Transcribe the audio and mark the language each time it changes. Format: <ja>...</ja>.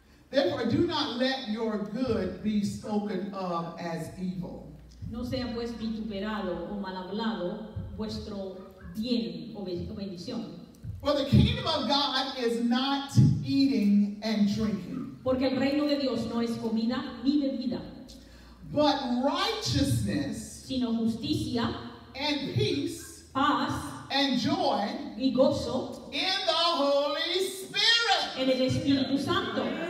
<en>Therefore, do not let your good be spoken of as evil.</en> <es>No sea pues vituperado o mal hablado vuestro bien o bendición.</es> <en>For the kingdom of God is not eating and drinking.</en> <es>Porque el reino de Dios no es comida ni bebida.</es> <en>But righteousness,</en> <es>sino justicia,</es> <en>and peace,</en> <es>paz,</es> <en>and joy,</en> <es>y gozo,</es> <en>in the Holy Spirit.</en> <es>En el Espíritu Santo.</es>